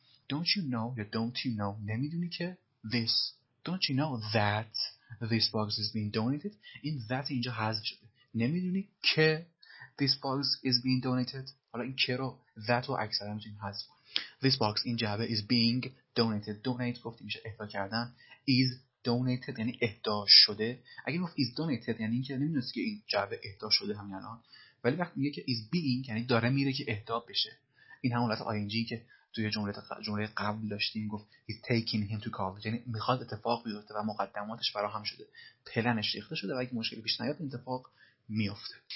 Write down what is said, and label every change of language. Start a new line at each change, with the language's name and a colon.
English: Don't you know
Persian: نمیدونی که
English: this، don't you know that this box is being donated.
Persian: این that اینجا حذف شده، نمیدونی که
English: this box is being donated.
Persian: حالا این که رو that رو اکثرا میتونیم حذف کنیم.
English: This box
Persian: این جعبه
English: is being donated.
Persian: Donate گفتیم میشه اهدا کردن. Is donated یعنی اهدا شده. اگه گفت is donated یعنی اینکه نمیدونی که این جعبه اهدا شده همین الان، ولی وقتی میگه که is being یعنی داره میره که اهدا بشه. این همون حالت ing که توی جمله قبل داشتیم، گفت
English: he's taking him to college
Persian: یعنی میخواد اتفاق بیفته و مقدماتش فراهم شده، پلنش ریخته شده و اگه مشکلی پیش نیاد اتفاق میفته.